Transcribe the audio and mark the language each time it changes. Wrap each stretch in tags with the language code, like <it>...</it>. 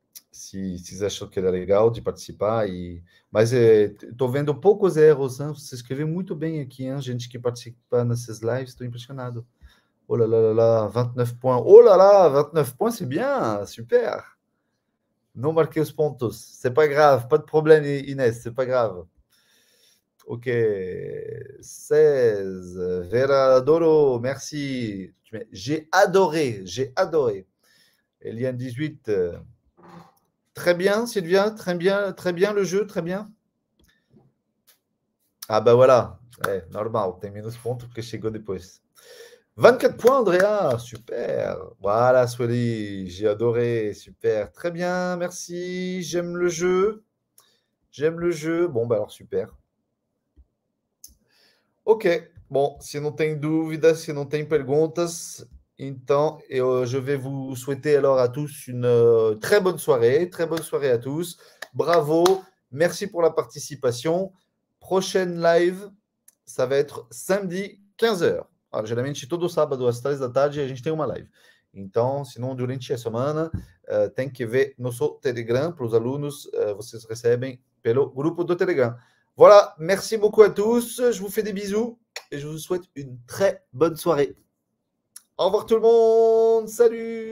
<pt>Se vocês acham que era legal de participar, mas estou vendo poucos erros, hein? Você escreveu muito bem aqui, hein? Gente que participa nessas lives, estou impressionado.</pt> <fr>Oh là là là là, 29 points. Oh là là, 29 points, c'est bien, super. Non marqué os pontos. C'est pas grave, pas de problème, Inès, c'est pas grave. Ok, 16. Vera adoro, merci. J'ai adoré. Eliane 18. Très bien, Sylvia, très bien le jeu, très bien. Ah ben voilà, ouais, normal,</fr> <pt>tem menos pontos que chegou depois.</pt> <fr>24 points, Andrea, super. Voilà, Sueli, j'ai adoré, super. Très bien, merci. J'aime le jeu. J'aime le jeu. Bon, bah alors, super.</fr> <pt>Ok, bon, se não tem dúvidas, se não tem perguntas,</pt> <fr>Temps et je vais vous souhaiter alors à tous une très bonne soirée à tous. Bravo, merci pour la participation. Prochaine live, ça va être samedi 15h. Alors, généralement, c'est tout le</fr> <pt>sábado, às 3 da tarde, a gente tem uma live. Então, sinon, durante a semana, tem que ver nosso Telegram para os alunos, vocês recebem pelo grupo do Telegram.</pt> <fr>Voilà, merci beaucoup à tous, je vous fais des bisous et je vous souhaite une très bonne soirée. Au revoir tout le monde, salut!</fr>